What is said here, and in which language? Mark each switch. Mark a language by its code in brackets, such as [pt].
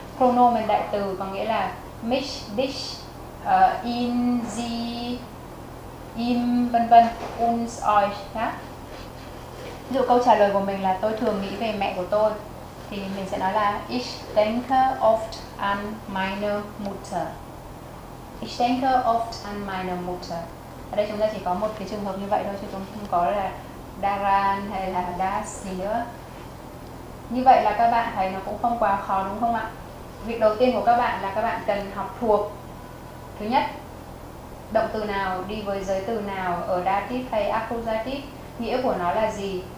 [vi] Pronomen đại từ có nghĩa là mich, dich, in, sie, im, vân vân, uns, euch. Ví dụ câu trả lời của mình là tôi thường nghĩ về mẹ của tôi, thì mình sẽ nói là [de] ich denke oft an meine Mutter. Ich denke oft an meine Mutter. [vi] Ở đây chúng ta chỉ có một cái trường hợp như vậy thôi, chứ chúng không có là daran hay là das gì nữa. Như vậy là các bạn thấy nó cũng không quá khó đúng không ạ? Việc đầu tiên của các bạn là các bạn cần học thuộc. Thứ nhất, động từ nào đi với giới từ nào ở dative hay accusative, nghĩa của nó là gì?